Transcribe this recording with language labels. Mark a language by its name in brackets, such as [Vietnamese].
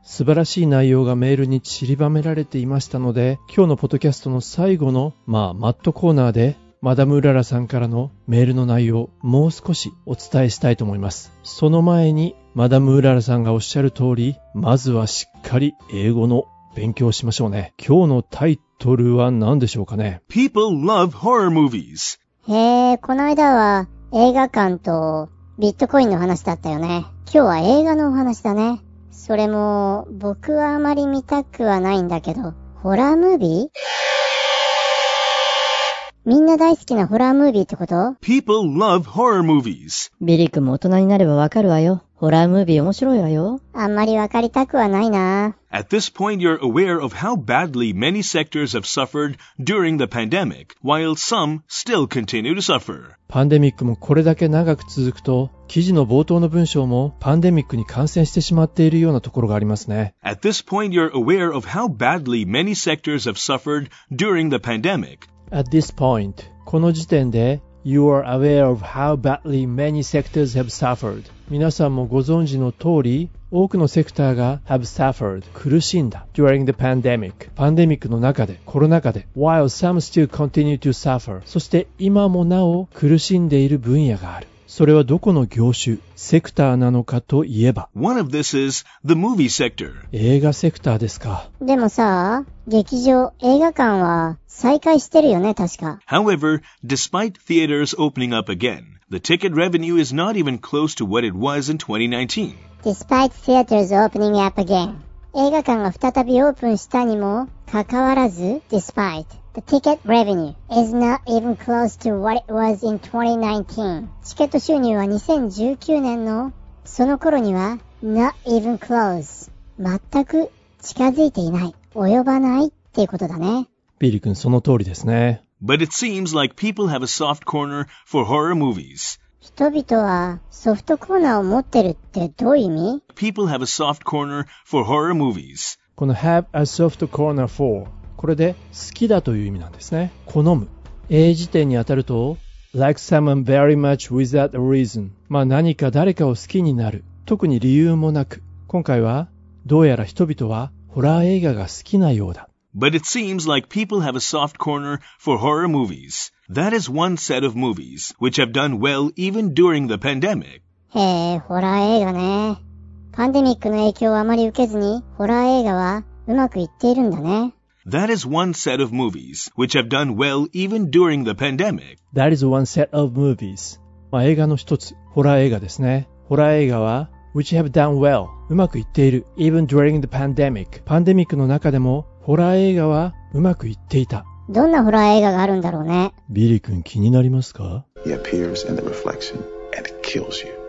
[Japanese] 素晴らしい内容がメールに散りばめられていましたので、今日のポッドキャストの最後の、マットコーナーで、マダムうららさんからのメールの内容をもう少しお伝えしたいと思います。その前に、マダムうららさんがおっしゃる通り、まずはしっかり英語の勉強しましょうね。今日のタイトルは何でしょうかね。 [English] People love horror movies. [Japanese] へえ、この間は映画館とビットコインの話だったよね。今日は映画のお話だね。それも僕はあまり見たくはないんだけど、ホラームービー？みんな大好きなホラームービーってこと？ [English] People love horror movies. [Japanese] ビリ君も大人になればわかるわよ。ホラームービー面白いわよ。あんまりわかりたくはないな。 [English] At this point, you're aware of how badly many sectors have suffered during the pandemic, while some still continue to suffer. [Japanese] パンデミックもこれだけ長く続くと、記事の冒頭の文章もパンデミックに感染してしまっているようなところがありますね。 [English] At this point, you're aware of how badly many sectors have suffered during the pandemic. At this point, [Japanese] この時点で、 [English] You are aware of how badly many sectors have suffered. [Japanese] 皆さんもご存知の通り、多くのセクターが [English] have suffered [Japanese] 苦しんだ [English] during the pandemic. [Japanese] パンデミックの中で、コロナ禍で、 [English] while some still continue to suffer. [Japanese] そして今もなお苦しんでいる分野がある。それはどこの業種、セクターなのかといえば、 [English] One of this is the movie sector. [Japanese] 映画セクターですか。でもさ、劇場、映画館は再開してるよね、確か。 [English] However, despite theaters opening up again, the ticket revenue is not even close to what it was in 2019. Despite theaters opening up again. [Japanese] 映画館が再びオープンしたにもかかわらず、despite. [English] The ticket revenue is not even close to what it was in 2019. [Japanese] チケット収入は2019年のその頃には [English] not even close. [Japanese] 全く近づいていない。及ばないっていうことだね。ビリ君、その通りですね。 [English] But it seems like people have a soft corner for horror movies. [Japanese] 人々はソフトコーナーを持ってるってどういう意味？ [English] People have a soft corner for horror movies. [Japanese] この [English] have a soft corner for、 [Japanese] これで好きだという意味なんですね。好む。英辞典に当たると、 [English] like someone very much without a reason。 [Japanese] 何か誰かを好きになる。特に理由もなく。今回は、どうやら人々はホラー映画が好きなようだ。 [English] But it seems like people have a soft corner for horror movies. That is one set of movies which have done well even during the pandemic. [Japanese] へえ、ホラー映画ね。パンデミックの影響をあまり受けずに、ホラー映画はうまくいっているんだね。 [English] That is one set of movies which have done well even during the pandemic. That is one set of movies. [Japanese] 映画の一つ、ホラー映画ですね。ホラー映画は、 [English] which have done well、 [Japanese] うまくいっている、 [English] even during the pandemic。 [Japanese] パンデミックの中でも、ホラー映画はうまくいっていた。どんなホラー映画があるんだろうね。ビリ君、気になりますか？ [English] He appears in the reflection and kills you.